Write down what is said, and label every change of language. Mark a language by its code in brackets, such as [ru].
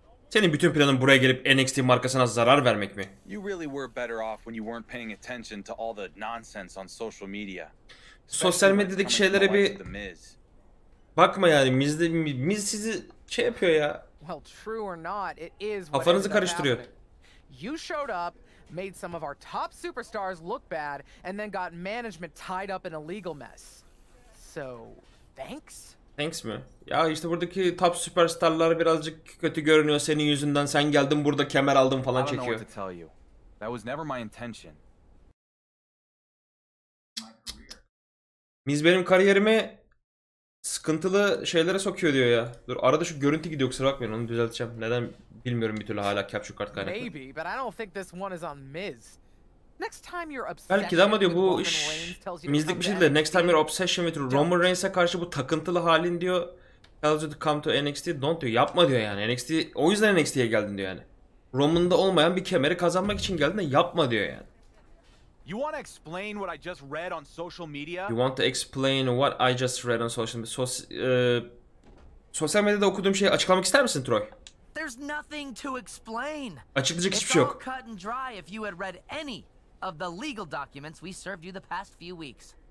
[tr] Senin bütün planın buraya gelip NXT markasına zarar vermek mi? [en] You really were better off when you weren't paying attention to all the nonsense on social media. [tr] Sosyal medyadaki şeylere bir bakma yani. Miz sizi şey yapıyor ya. [en] Well, true or not, it is [tr] kafanızı karıştırıyor. [en] You showed up, made some of our top superstars look bad, and then got management tied up in a legal mess. So, thanks? [tr] Thanks mi? Ya işte buradaki top süperstarlar birazcık kötü görünüyor senin yüzünden. Sen geldin burada kemer aldın falan çekiyor. [en] I don't know what to tell you. That was never my intention. [tr] Miz benim kariyerimi sıkıntılı şeylere sokuyor diyor ya. Dur arada şu görüntü gidiyor, kusura bakmayın, onu düzelteceğim. Neden bilmiyorum bir türlü hala capture card kaynaklı. [en] Maybe, but I don't think this one is on Miz. Next time you're obsessed. [tr] Belki de ama diyor bu iş Miz'lik bir şey de. [en] Next time you're obsession with Roman Reigns'e [tr] karşı bu takıntılı halin diyor. [en] Tells you to come to NXT, don't diyor. [tr] Yapma diyor yani. NXT, o yüzden NXT'ye geldin diyor yani. Roman'da olmayan bir kemeri kazanmak için geldin de yapma diyor yani. [en] You want to explain what I just read on social media? You want to explain what I just read on social media? [tr] Sosyal medyada okuduğum şeyi açıklamak ister misin Troy? [en] There's nothing to explain. [tr] Açıklayacak hiçbir şey yok. [en] It's all cut and dry if you had read any of the legal documents we served you the past few weeks.